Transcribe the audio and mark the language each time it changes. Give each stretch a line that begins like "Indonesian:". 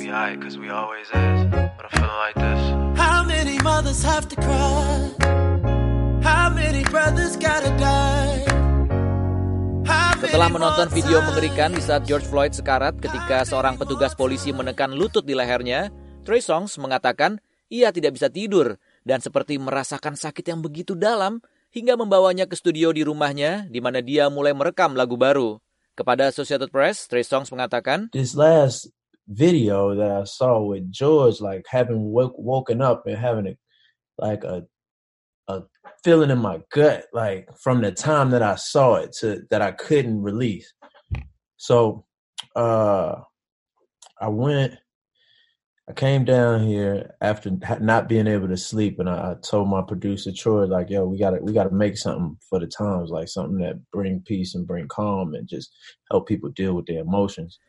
English: We'll be high 'cause we always is, but I feel like this. How many mothers have to cry? How many brothers gotta die?
Indonesian: Setelah menonton video mengerikan di saat George Floyd sekarat ketika seorang petugas polisi menekan lutut di lehernya, Trey Songz mengatakan ia tidak bisa tidur dan seperti merasakan sakit yang begitu dalam hingga membawanya ke studio di rumahnya di mana dia mulai merekam lagu baru. Kepada Associated Press, Trey Songz mengatakan,
English: "This last video that I saw with George like having woken up and having a feeling in my gut, like from the time that I saw it to that I couldn't release. So I came down here after not being able to sleep, and I told my producer Troy, like, yo, we gotta make something for the times, like something that bring peace and bring calm and just help people deal with their emotions."